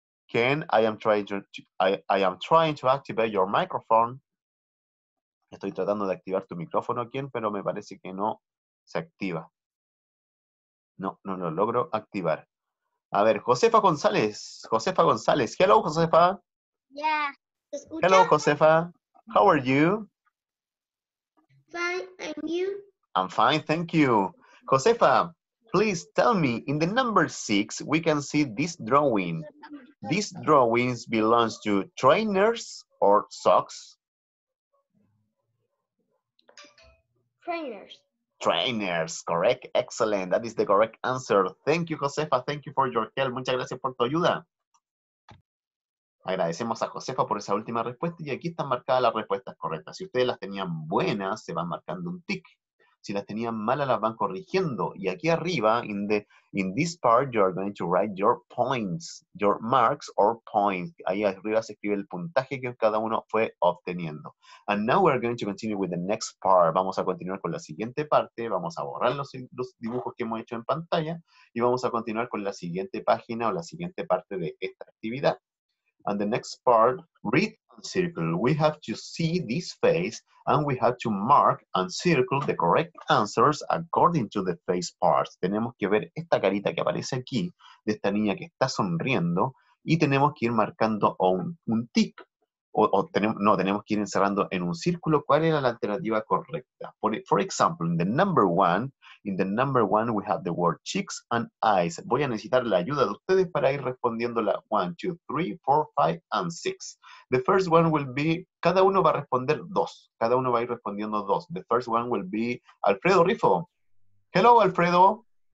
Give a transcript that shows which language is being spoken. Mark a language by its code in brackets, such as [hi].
[en] Ken, I am trying to activate your microphone. [es] Estoy tratando de activar tu micrófono, Ken, pero me parece que no se activa. No lo logro activar. A ver, Josefa González. Josefa González. [en] Hello, Josefa. Yeah. Hello, Josefa. How are you? Fine, and you? I'm fine, thank you. Josefa, please tell me, in the number six, we can see this drawing. This drawing belongs to trainers or socks? Trainers, correct. Excellent. That is the correct answer. Thank you, Josefa. Thank you for your help. [es] Muchas gracias por tu ayuda. Agradecemos a Josefa por esa última respuesta y aquí están marcadas las respuestas correctas. Si ustedes las tenían buenas, se van marcando un tick. Si las tenían malas, las van corrigiendo. Y aquí arriba, [en] in this part, you are going to write your points, your marks or points. [es] Ahí arriba se escribe el puntaje que cada uno fue obteniendo. [en] And now we are going to continue with the next part. [es] Vamos a continuar con la siguiente parte. Vamos a borrar los dibujos que hemos hecho en pantalla y vamos a continuar con la siguiente página o la siguiente parte de esta actividad. [en] And the next part, read circle. We have to see this face and we have to mark and circle the correct answers according to the face parts. [es] Tenemos que ver esta carita que aparece aquí, de esta niña que está sonriendo, y tenemos que ir marcando un tic, tenemos que ir encerrando en un círculo cuál era la alternativa correcta. [en] For example, in the number one, we have the word cheeks and eyes. [es] Voy a necesitar la ayuda de ustedes para ir respondiendo la 1, 2, 3, 4, 5, and 6. [en] The first one will be, [es] cada uno va a responder dos. Cada uno va a ir respondiendo dos. [en] The first one will be Alfredo Rifo. Hello, Alfredo.